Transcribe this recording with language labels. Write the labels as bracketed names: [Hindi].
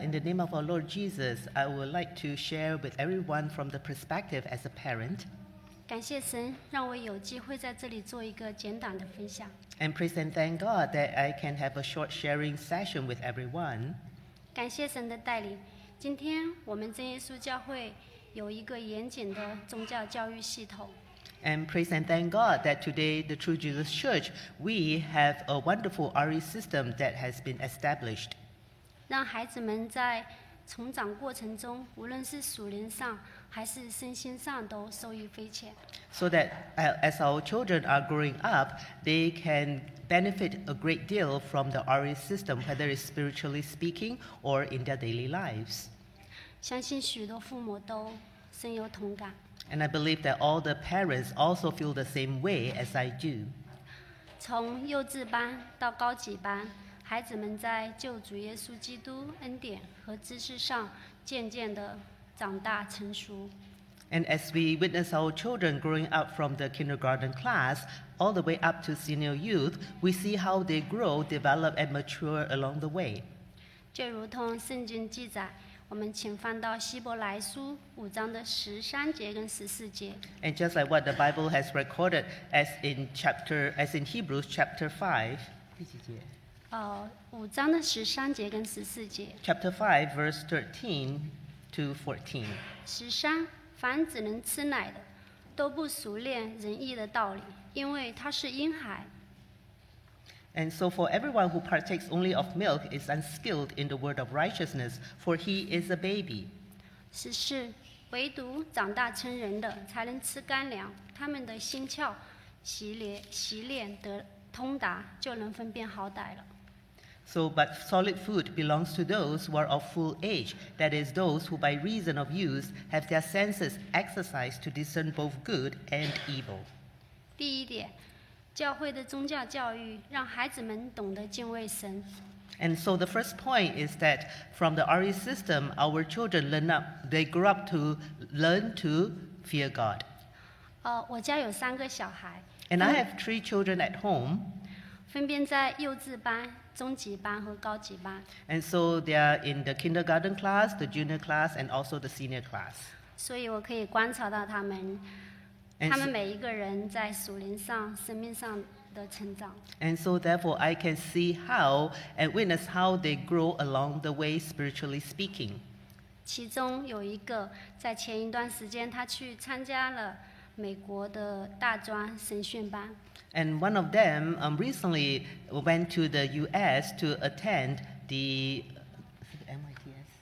[English] In the name of our Lord Jesus, I would like to share with everyone from the perspective as a parent. [Chinese] 感谢神，让我有机会在这里做一个简短的分享。 [English] And praise and thank God that I can have a short sharing session with everyone. [Chinese] 感谢神的带领，今天我们真耶稣教会有一个严谨的宗教教育系统。 [English] And praise and thank God that today, the True Jesus Church, we have a wonderful RE system that has been established. [Chinese] 让孩子们在成长过程中，无论是属灵上还是身心上都受益匪浅。 [English] So that as our children are growing up, they can benefit a great deal from the RE system, whether it's spiritually speaking or in their daily lives. [Chinese] 相信许多父母都深有同感。 [English] And I believe that all the parents also feel the same way as I do. [Chinese] 从幼稚班到高级班，孩子们在救主耶稣基督恩典和知识上渐渐地长大成熟。 [English] And as we witness our children growing up from the kindergarten class all the way up to senior youth, we see how they grow, develop, and mature along the way. [Chinese] 就如同圣经记载，我们请翻到希伯来书五章的十三节跟十四节。 [English] And just like what the Bible has recorded, as in Hebrews chapter 5, [Chinese] 第几节？五章的十三节跟十四节。 [English] Chapter 5, verse 13 to 14. [Chinese] 十三，凡只能吃奶的，都不熟练仁义的道理，因为他是婴孩。 [English] And so for everyone who partakes only of milk is unskilled in the word of righteousness, for he is a baby. [Chinese] 十四，唯独长大成人的才能吃干粮，他们的心窍习练得通达，就能分辨好歹了。 [English] So, but solid food belongs to those who are of full age, that is, those who by reason of use have their senses exercised to discern both good and evil. [Chinese] 第一点，教会的宗教教育让孩子们懂得敬畏神。 [English] And so the first point is that from the RE system, our children grow up to learn to fear God. [Chinese] 我家有三个小孩。 [English] And I have three children at home. [Chinese] 分别在幼稚班、中级班和高级班。 [English] And so they are in the kindergarten class, the junior class, and also the senior class. [Chinese] 所以我可以观察到他们。 [English] And so therefore I can see how and witness how they grow along the way spiritually speaking. [Chinese] 其中有一个在前一段时间他去参加了美国的大专神训班。 [English] And one of them recently went to the US to attend the MYTS.